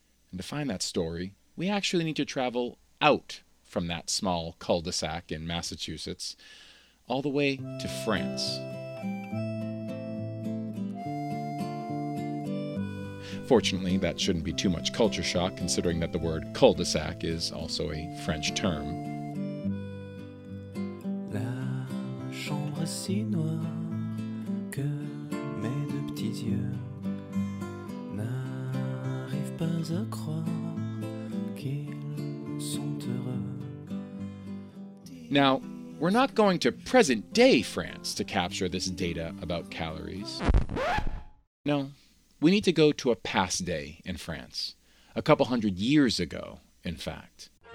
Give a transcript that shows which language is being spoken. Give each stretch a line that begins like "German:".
English: And to find that story, we actually need to travel out from that small cul-de-sac in Massachusetts, all the way to France. Fortunately, that shouldn't be too much culture shock, considering that the word cul-de-sac is also a French term.
French: La chambre si noire que mes deux petits yeux n'arrivent pas à croire qu'ils sont heureux.
English: Now, we're not going to present-day France to capture this data about calories. No. We need to go to a past day in France, a couple hundred years ago, in fact.